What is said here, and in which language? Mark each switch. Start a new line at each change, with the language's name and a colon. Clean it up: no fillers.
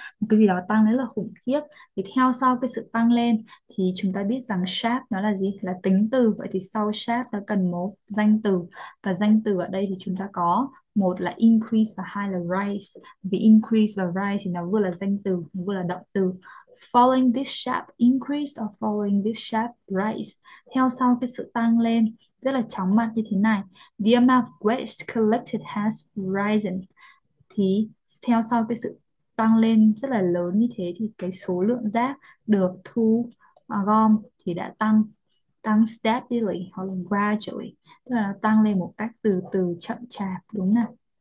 Vietnamese: Một cái gì đó tăng đấy là khủng khiếp. Thì theo sau cái sự tăng lên thì chúng ta biết rằng sharp nó là gì? Là tính từ. Vậy thì sau sharp nó cần một danh từ. Và danh từ ở đây thì chúng ta có một là increase và hai là rise. Vì increase và rise thì nó vừa là danh từ, nó vừa là động từ.
English: Following this sharp increase or following this sharp rise.
Vietnamese: Theo sau cái sự tăng lên rất là chóng mặt như thế này.
English: The amount of waste collected has risen.
Vietnamese: Thì theo sau cái sự tăng lên rất là lớn như thế thì cái số lượng rác được thu gom thì đã tăng, tăng steadily hoặc là gradually, tức là nó tăng lên một cách từ từ chậm chạp, đúng không?